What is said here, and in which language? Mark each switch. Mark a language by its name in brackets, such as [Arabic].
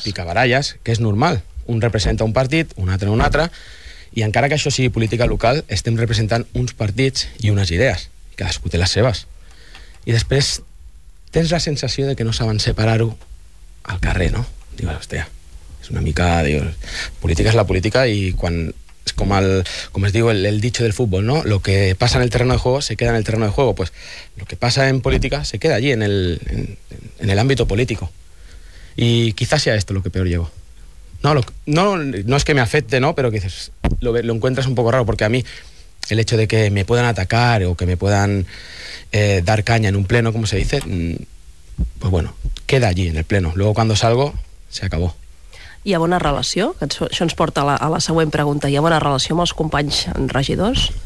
[Catalan] picabaralles, que és normal. Un representa un partit, un altre, i encara que això sigui política local, estem representant uns partits i unes idees, cadascú té les seves. I després tens la sensació de que no saben separar-ho al carrer, no? Dius, hòstia, una mica, dius, política és la política i quan, és com el, com es diu el dicho del futbol, no? [Spanish] Lo que pasa en el terreno de juego se queda en el terreno de juego, pues lo que pasa en política se queda allí en el ámbito político. Y quizás sea esto lo que peor llevo. No es que me afecte, ¿no? Pero quizás lo encuentras un poco raro, porque a mí el hecho de que me puedan atacar o que me puedan dar caña en un pleno, como se dice, pues bueno, queda allí en el pleno. Luego cuando salgo, se acabó. [Catalan] Hi ha bona relació? Això ens porta a la següent pregunta. Hi ha bona relació amb els companys regidors?